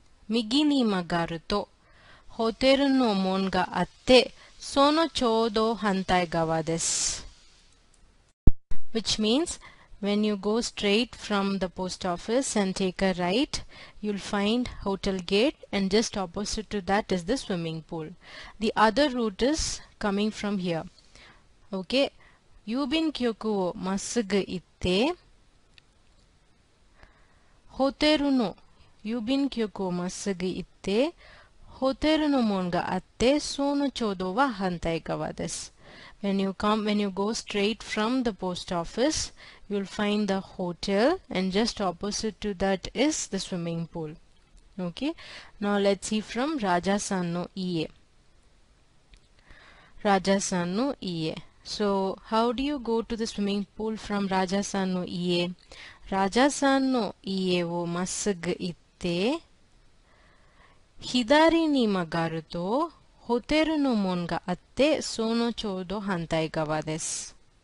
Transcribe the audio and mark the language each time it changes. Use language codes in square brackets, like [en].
[ja] 右に曲がると、ホテルの門があって、そのちょうど反対側です。 [en] Which means, when you go straight from the post office and take a right, you'll find hotel gate and just opposite to that is the swimming pool. The other route is coming from here. [ja] Okay, 郵便局をまっすぐ行って、ホテルの郵便局をまっすぐ行って、ホテルの門があって、そのちょうどは反対側です。 [en] When you come, when you go straight from the post office, you'll find the hotel and just opposite to that is the swimming pool. Okay? Now let's see from [ja] Rajasan no iye. Rajasan no iye. [en] So, how do you go to the swimming pool from [ja] Rajasan no iye? Rajasan no iye wo masugu itte. 左に曲がるとホテルの門があってそのちょうど反対側です。